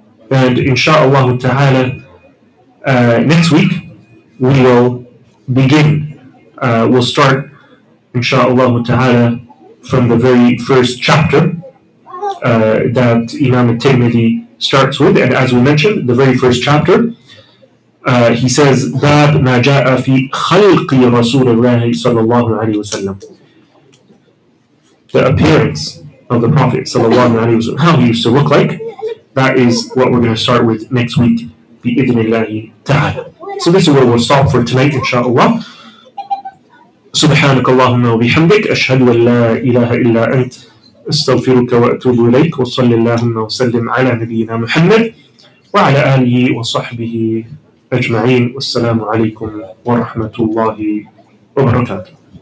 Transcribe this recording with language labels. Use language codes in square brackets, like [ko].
[en] And insha'Allah ta'ala, next week, we will begin, we'll start insha'Allah ta'ala from the very first chapter that Imam al-Tirmidhi starts with. And as we mentioned, the very first chapter, he says, [ar] باب ما جاء في خلق رسول الله صلى الله عليه وسلم. [en] The appearance of the Prophet صلى الله عليه وسلم, how he used to look like. That is what we're going to start with next week, بإذن الله تعالى. So this is where we'll stop for tonight, inshallah. [ar] سبحانك اللهم وبحمدك أشهد أن لا إله إلا أنت استغفرك وأتوب إليك وصل اللهم وسلم على نبينا محمد وعلى آله وصحبه أجمعين والسلام عليكم ورحمة الله وبركاته.